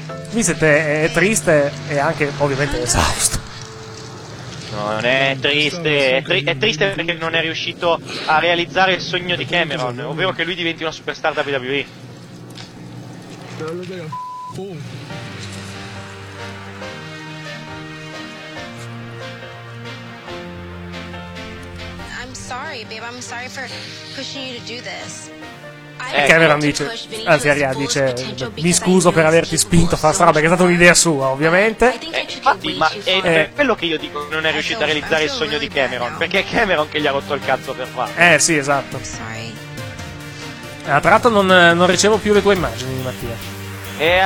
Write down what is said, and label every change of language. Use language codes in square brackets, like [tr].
[it] Vincent è triste e anche ovviamente esausto. Non è triste, è triste perché non è riuscito a realizzare il sogno di Cameron, ovvero che lui diventi una superstar WWE. [en] I'm sorry, babe, I'm sorry for pushing you to do this. [it] Cameron dice, anzi Aria dice, mi scuso per averti spinto a fare questa roba, perché è stata un'idea sua, ovviamente. Ma è quello che io dico, non è riuscito a realizzare il sogno di Cameron, perché è Cameron che gli ha rotto il cazzo per farlo. Sì, esatto. Tra l'altro non ricevo più le tue immagini di Mattia.